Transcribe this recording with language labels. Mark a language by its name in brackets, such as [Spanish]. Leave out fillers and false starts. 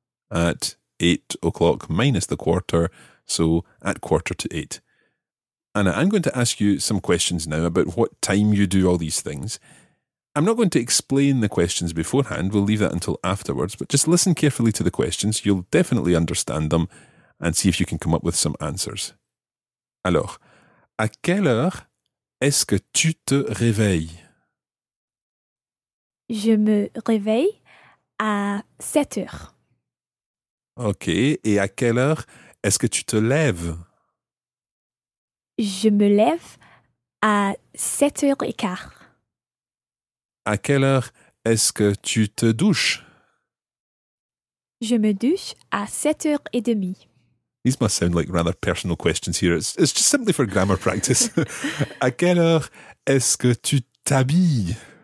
[English] At 8:00, minus the quarter, so at 7:45. Anna, I'm going to ask you some questions now about what time you do all these things. I'm not going to explain the questions beforehand, we'll leave that until afterwards, but just listen carefully to the questions, you'll definitely understand them, and see if you can come up with some answers. [French] Alors, à quelle heure est-ce que tu te réveilles? Je me réveille à 7:00. Ok, et à quelle heure est-ce que tu te lèves? Je me lève à 7:15. À quelle heure est-ce que tu te douches? Je me douche à 7:30. [English] These must sound like rather personal questions here. It's just simply for grammar practice. [French] À quelle heure est-ce que tu t'habilles?